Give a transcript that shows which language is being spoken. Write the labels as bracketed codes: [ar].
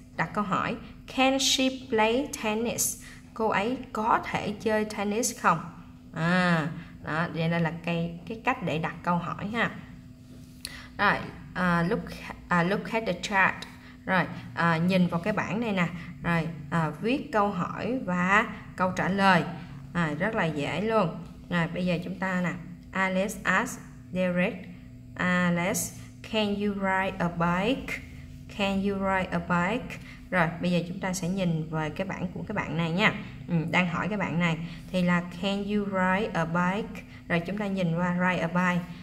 [vi] Đặt câu hỏi [en] can she play tennis, [vi] cô ấy có thể chơi tennis không. Đó, Đây là cái cách để đặt câu hỏi ha. Rồi, [en] look at the chart. [vi] Rồi, nhìn vào cái bảng này nè. Rồi, viết câu hỏi và câu trả lời. Rất là dễ luôn. Rồi, bây giờ chúng ta nè. [en] Alice asks Derek, Alice, can you ride a bike? Can you ride a bike? [vi] Rồi, bây giờ chúng ta sẽ nhìn về cái bảng của các bạn này nha. Đang hỏi các bạn này thì là [en] can you ride a bike? [vi] Rồi chúng ta nhìn qua ride a bike.